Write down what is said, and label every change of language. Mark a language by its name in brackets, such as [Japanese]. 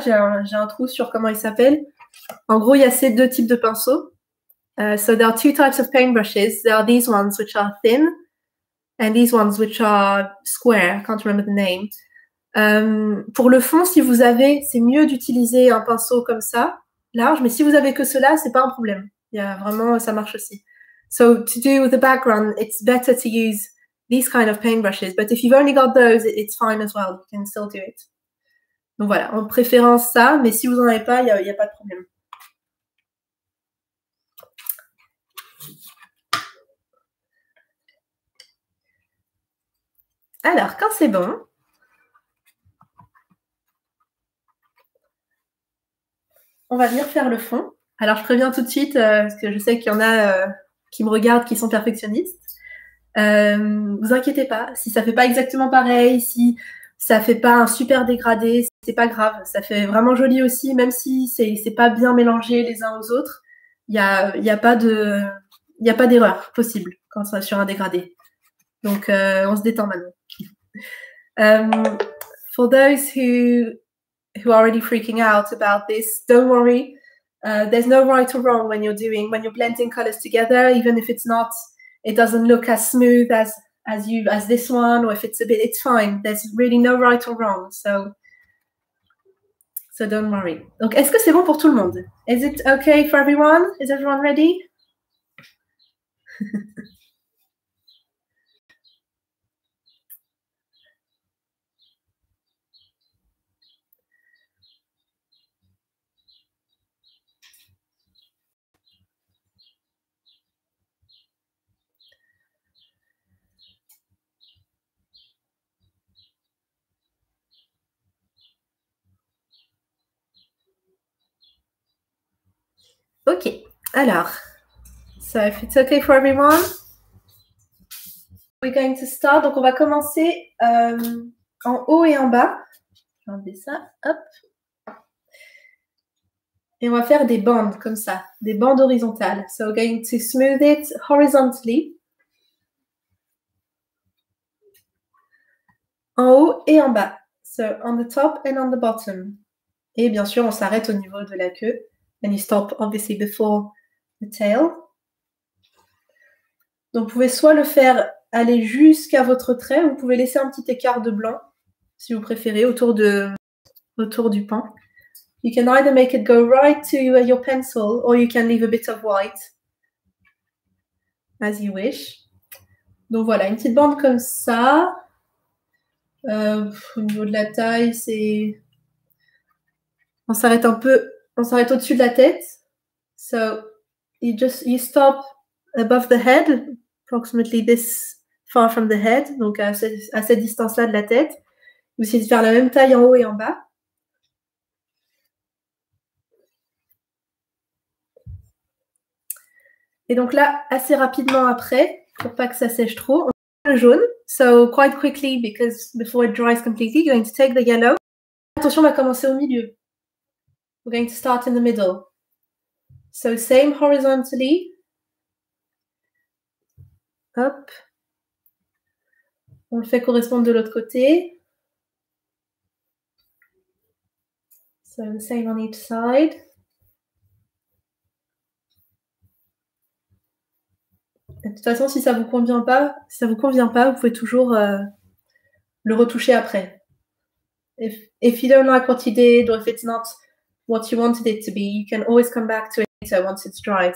[French] J'ai un trou sur comment il s'appelle. En gros, il y a ces deux types de pinceaux. [English] So there are two types of paintbrushes. There are these ones which are thin and these ones which are square. I can't remember the name. [French] Pour le fond, si vous avez, c'est mieux d'utiliser un pinceau comme ça, large, mais si vous avez que cela, c'est pas un problème. Il y a vraiment, ça marche aussi. [English] So, to do with the background, it's better to use these kind of paintbrushes, but if you've only got those, it's fine as well, you can still do it. [French] Donc voilà, en préférence ça, mais si vous en avez pas, il y a pas de problème. Alors, quand c'est bon, on va venir faire le fond. Alors, je préviens tout de suite, parce que je sais qu'il y en a qui me regardent, qui sont perfectionnistes. Vous inquiétez pas. Si ça fait pas exactement pareil, si ça fait pas un super dégradé, c'est pas grave. Ça fait vraiment joli aussi, même si c'est pas bien mélangé les uns aux autres. Il y a pas d'erreur possible quand on est sur un dégradé. Donc, on se détend maintenant. [English] For those who are already freaking out about this, don't worry. There's no right or wrong when you're blending colors together, even if it's not, it doesn't look as smooth as this one, or if it's a bit, it's fine. There's really no right or wrong. So don't worry. [French] Donc, est-ce que c'est bon pour tout le monde? [English] Is it okay for everyone? Is everyone ready? Ok, alors, so if it's okay for everyone, we're going to start. [French] Donc, on va commencer en haut et en bas. Je vais enlever ça, hop. Et on va faire des bandes comme ça, des bandes horizontales. [English] So, we're going to smooth it horizontally. [French] En haut et en bas. [English] So, on the top and on the bottom. [French] Et bien sûr, on s'arrête au niveau de la queue. [English] And you stop, obviously, before the tail. [French] Donc, vous pouvez soit le faire aller jusqu'à votre trait, ou vous pouvez laisser un petit écart de blanc, si vous préférez, autour du pan. [English] You can either make it go right to your pencil, or you can leave a bit of white, as you wish. [French] Donc, voilà, une petite bande comme ça. Au niveau de la taille, c'est... On s'arrête au-dessus de la tête. [English] So, you stop above the head, [French] approximately this far from the head, donc à cette distance-là de la tête. Vous essayez de faire la même taille en haut et en bas. Et donc là, assez rapidement après, pour pas que ça sèche trop, on prend le jaune. [English] So, quite quickly, because before it dries completely, you're going to take the yellow. [French] Attention, on va commencer au milieu. [English] We're going to start in the middle. So same horizontally. Hop. [French] On le fait correspondre de l'autre côté. [English] So the same on each side. [French] Et de toute façon, si ça vous convient pas, vous pouvez toujours le retoucher après. [English] If you don't like what you did, or if it's not what you wanted it to be, you can always come back to it later once it's dried.